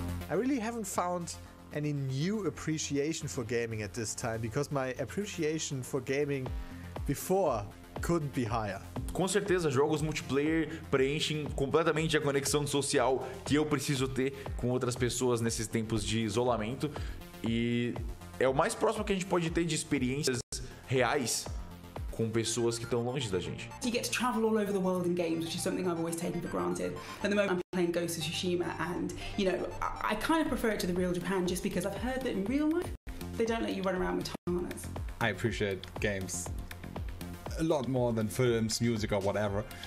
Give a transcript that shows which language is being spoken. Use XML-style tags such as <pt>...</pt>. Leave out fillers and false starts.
<en>I really haven't found any new appreciation for gaming at this time, because my appreciation for gaming before couldn't be higher.</en> <pt>Com certeza, jogos multiplayer preenchem completamente a conexão social que eu preciso ter com outras pessoas nesses tempos de isolamento. E é o mais próximo que a gente pode ter de experiências reais com pessoas que estão longe da gente.</pt> <en>You get to travel all over the world in games, which is something I've always taken for granted. At the moment I'm playing Ghost of Tsushima, and you know, I kind of prefer it to the real Japan just because I've heard that in real life they don't let you run around with katanas. I appreciate games a lot more than films, music or whatever.</en>